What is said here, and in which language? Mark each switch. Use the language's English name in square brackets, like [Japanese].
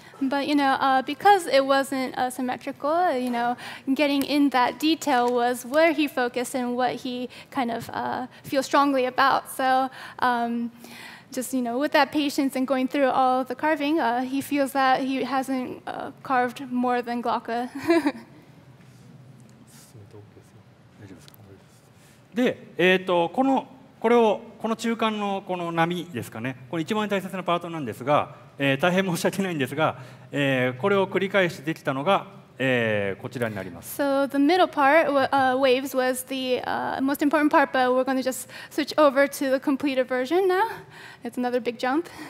[English] But you know, because it wasn't symmetrical, you know, getting in that detail was where he focused and what he kind of feels strongly about. So, just you know, with that patience and going through all of the carving, he feels that he hasn't carved more than Glauca. [Japanese] で、このこれをこの中間のこの波ですかね。これ一番大切なパートなんですが、大変申し訳ないんですが、これを繰り返してできたのが、こちらになります。 [English] So the middle part, waves was the most important part, but we're going to just switch over to the completed version now. It's another big jump.